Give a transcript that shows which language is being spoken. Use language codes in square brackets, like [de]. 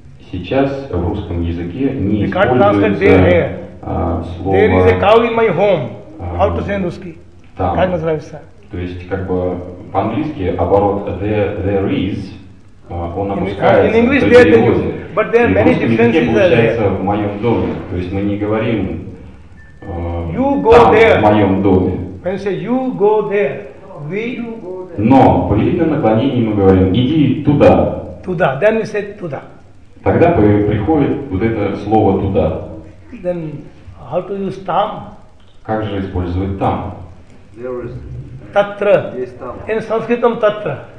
[ru] Сейчас в русском языке не [en] there is a cow in my home. How to say in Ruski? [ru] Как называется? То есть, как бы, по-английски оборот there is, он опускается. [en] In English, there is, but there are many differences. [ru] И в русском языке получается в моем доме. То есть, мы не говорим [en] you go [ru] там, [en] there. [ru] В моем доме. [en] When you say you go there, we go there. [ru] Но в длительном наклонении мы говорим иди туда. [en] Туда, then we say туда. [ru] Тогда приходит вот это слово туда. [en] Then, how to use там? [ru] Как же использовать там? [en] There is. Татра. In Sanskrit, татра.